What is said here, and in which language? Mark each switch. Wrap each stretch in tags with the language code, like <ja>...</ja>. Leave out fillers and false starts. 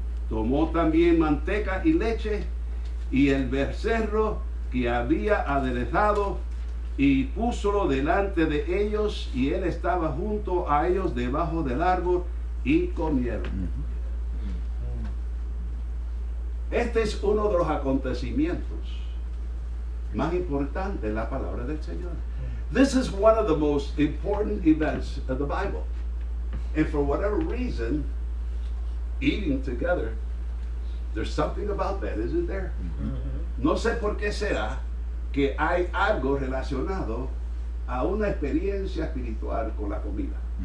<es>Tomó también manteca y leche y el becerro que había aderezado y púsolo delante de ellos, y él estaba junto a ellos debajo del árbol y comieron. Este es uno de los acontecimientos más importantes en la palabra del Señor.</es> <en>This is one of the most important events of the Bible. And for whatever reason, eating together, there's something about that, isn't there?</en> <es>No sé por qué será que hay algo relacionado a una experiencia espiritual con la comida.</es>